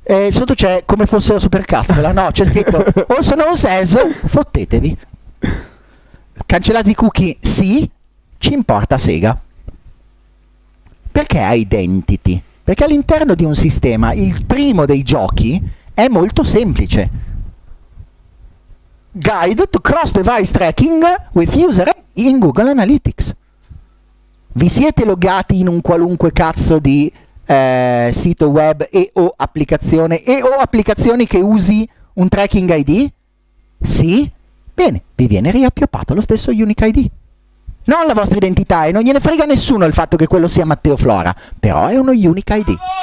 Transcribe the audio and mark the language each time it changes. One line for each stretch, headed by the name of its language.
Italian: Sotto c'è come fosse la supercazzola, no, c'è scritto
English: also known as,
Italian: fottetevi. Cancellati i cookie, sì, ci importa Sega. Perché identity? Perché all'interno di un sistema, il primo dei giochi è molto semplice.
English: Guide to cross device tracking with user in Google Analytics.
Italian: Vi siete loggati in un qualunque cazzo di sito web e o applicazioni che usi un tracking ID? Sì? Bene, vi viene riappioppato lo stesso unique ID. Non la vostra identità, e non gliene frega nessuno il fatto che quello sia Matteo Flora, però è uno unique ID.